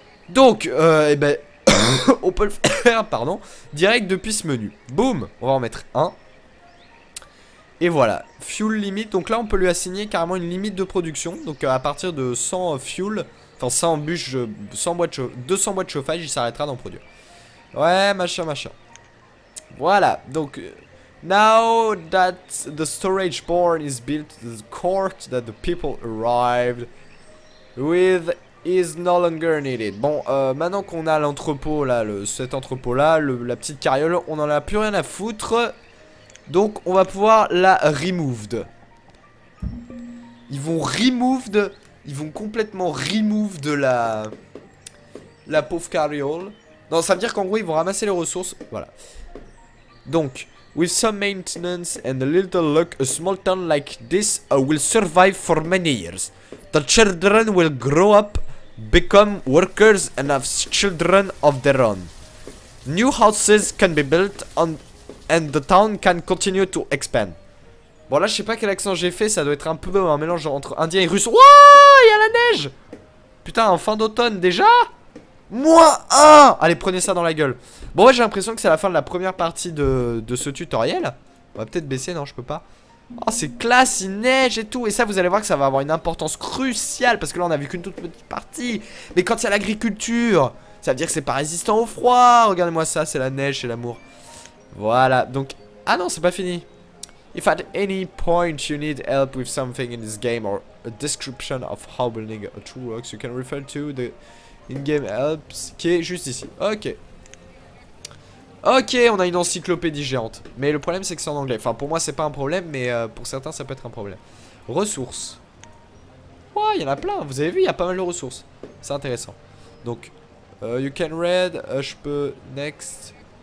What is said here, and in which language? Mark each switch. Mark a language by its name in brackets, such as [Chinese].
[French] Donc, eh ben, on peut le faire, pardon, direct depuis ce menu. Boum, on va en mettre un. Et voilà, fuel limit. Donc là, on peut lui assigner carrément une limite de production. Donc à partir de 100 fuel, enfin 100 bûches, 200 boîtes de chauffage, il s'arrêtera d'en produire. Ouais, machin. Voilà, donc, [English] now that the storage barn is built, the court that the people arrived with... is no longer needed. [French] Bon, maintenant qu'on a l'entrepôt là, la petite carriole, on en a plus rien à foutre. Donc, on va pouvoir la removed. Ils vont complètement removed la pauvre carriole. Non, ça veut dire qu'en gros, ils vont ramasser les ressources. Voilà. [English] Donc, with some maintenance and a little luck, a small town like this will survive for many years. The children will grow up. Become workers and have children of their own. New houses can be built on, and the town can continue to expand. [French] Bon là je sais pas quel accent j'ai fait, ça doit être un peu un mélange entre indien et russe. Wouah, il y a la neige. Putain, en fin d'automne déjà. Moins 1. Allez, prenez ça dans la gueule. Bon ouais, j'ai l'impression que c'est la fin de la première partie de ce tutoriel. On va peut-être baisser, non je peux pas. Oh, c'est classe, il neige et tout. Et ça, vous allez voir que ça va avoir une importance cruciale. Parce que là, on a vu qu'une toute petite partie. Mais quand c'est l'agriculture, ça veut dire que c'est pas résistant au froid. Regardez-moi ça, c'est la neige, c'est l'amour. Voilà, donc, ah non, c'est pas fini. [English] If at any point you need help with something in this game or a description of how building a tool works, you can refer to the in-game helps [French] qui est juste ici. Ok. Ok, on a une encyclopédie géante. Mais le problème, c'est que c'est en anglais. Enfin, pour moi, c'est pas un problème, mais pour certains, ça peut être un problème. Ressources. Ouais, il y en a plein. Vous avez vu, il y a pas mal de ressources. C'est intéressant. Donc, [English] you can read. [French] Je peux. Next.